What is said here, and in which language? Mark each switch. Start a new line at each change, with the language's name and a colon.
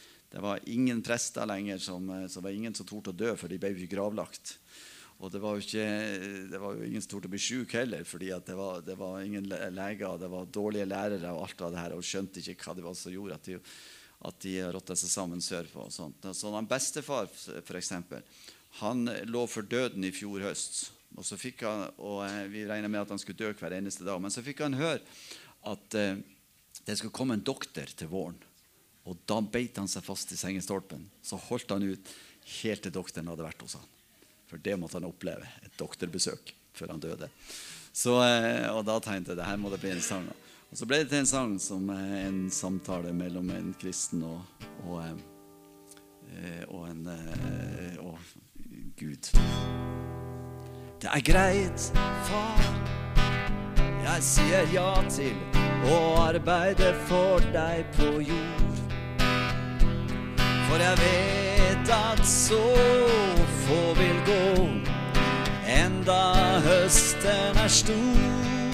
Norwegian: Det var ingen prester lenger, så var ingen som torde å dø, for de ble jo gravlagt. Og det var jo ingen som torde å bli syk heller, fordi at det var ingen leger, det var dårlige lærere og alt av det her, og skjønte ikke hva det var som gjorde at de råttet seg sammen sørpå og sånt. Så han bestefar, for eksempel,
Swedish: Han lå för döden I fjor höst och så fick han och vi regnade med att han skulle dö kvar eneste dag men så fick han höra att det skulle komma en doktor till våren och då bet han sig fast I sängstolpen så höll han ut helt till doktorn hade varit hos han för det måste han uppleva ett doktorbesök för han döde. Så och då tänkte det här måste bli en sång och så blev det en sång som en samtal mellan en kristen och en och Gud.
Norwegian: Det greit, far. Jeg sier ja til å arbeide for deg på jord. For jeg vet at så få vil gå, enda høsten stor.